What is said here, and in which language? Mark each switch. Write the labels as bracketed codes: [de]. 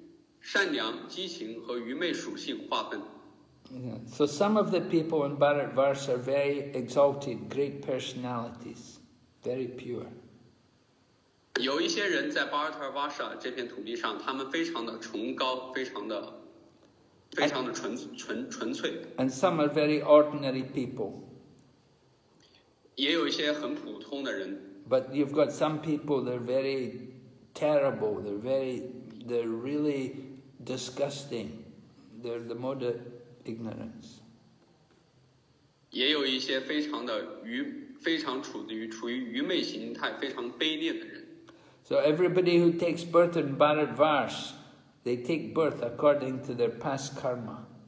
[zh] 在巴拉特瓦沙的这片土地出生的人，他们根据善良、激情和愚昧属性划分。 [en] So some of the people in Bharatvarsha are very exalted, great personalities, very pure. [zh] 有一些人在巴拉特瓦沙这片土地上，他们非常的崇高，非常的纯粹。 [en] And some are very ordinary people. [zh] 也有一些很普通的人。 [en] But you've got some people, they're very terrible, they're really disgusting. They're the mode of ignorance. [zh] 也有一些非常处于愚昧形态、非常卑劣的人。 [en] So everybody who takes birth in Bharatvarsha, they take birth according to their past karma.